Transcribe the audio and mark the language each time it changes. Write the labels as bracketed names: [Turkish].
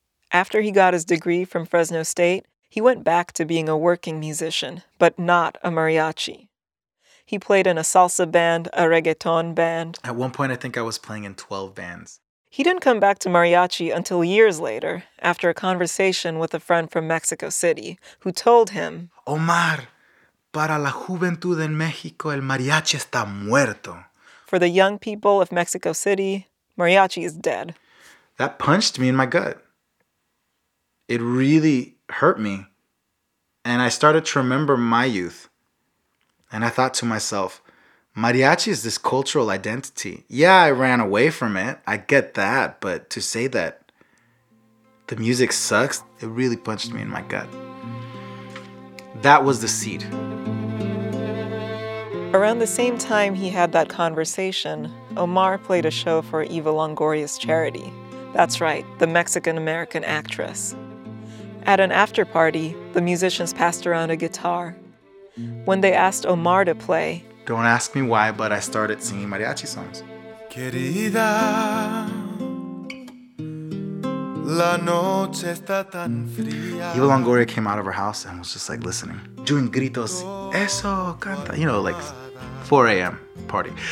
[English] After he got his degree from Fresno State, he went back to being a working musician, but not a mariachi. He played in a salsa band, a reggaeton band. At one point, I think I was playing in 12 bands. He didn't come back to mariachi until years later, after a conversation with a friend from Mexico City, who told him, [Spanish] Omar, para la juventud en México, el mariachi está muerto. [English] For the young people of Mexico City, mariachi is dead. That punched me in my gut. It really hurt me. And I started to remember my youth. And I thought to myself, mariachi is this cultural identity. Yeah, I ran away from it. I get that. But to say that the music sucks, it really punched me in my gut. That was the seed. Around the same time he had that conversation, Omar played a show for Eva Longoria's charity. That's right, the Mexican-American actress. At an after party, the musicians passed around a guitar. When they asked Omar to play, don't ask me why, but I started singing mariachi songs. [Spanish] Querida, la noche está tan fría. [English] Eva Longoria came out of her house and was just like listening, doing gritos, [Spanish] eso, canta, [English] you know, like 4 a.m. party.